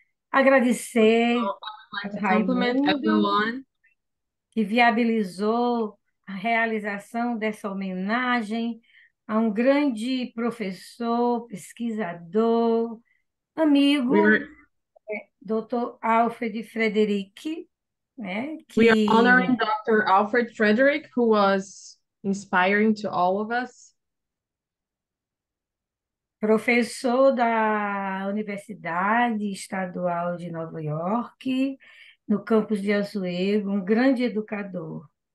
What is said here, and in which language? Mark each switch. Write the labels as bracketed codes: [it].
[pt] Agradecer ao Raimundo, que viabilizou a realização dessa homenagem a um grande professor, pesquisador, amigo, Dr. Alfred Frederick. [en] We are honoring Dr. Alfred Frederick, who was inspiring to all of us. [pt] Professor da Universidade Estadual de Nova York, no campus de Azuego, um grande educador.